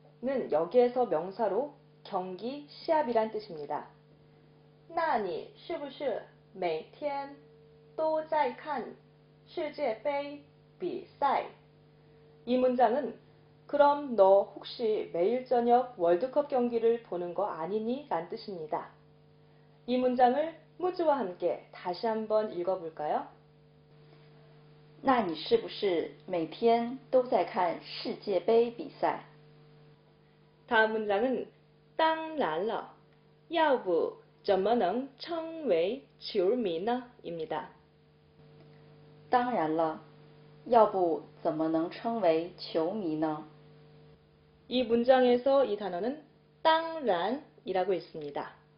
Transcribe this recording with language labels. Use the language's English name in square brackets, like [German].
[Korean] 는 여기에서 명사로 경기, 시합이란 뜻입니다. [Chinese] 那你是不是每天都在看世界杯比赛。 [Korean] 이 문장은 그럼 너 혹시 매일 저녁 월드컵 경기를 보는 거 아니니? 라는 뜻입니다. 이 문장을 무즈와 함께 다시 한번 읽어볼까요? [Chinese] 那你是不是每天都在看世界杯比赛? 다음 문장은 땅날러 야부 怎么能 청为球迷呢? [Korean] 입니다. [Chinese] 当然了,要不怎么能称为球迷呢? [Korean] 이 문장에서 이 단어는 当然이라고 했습니다.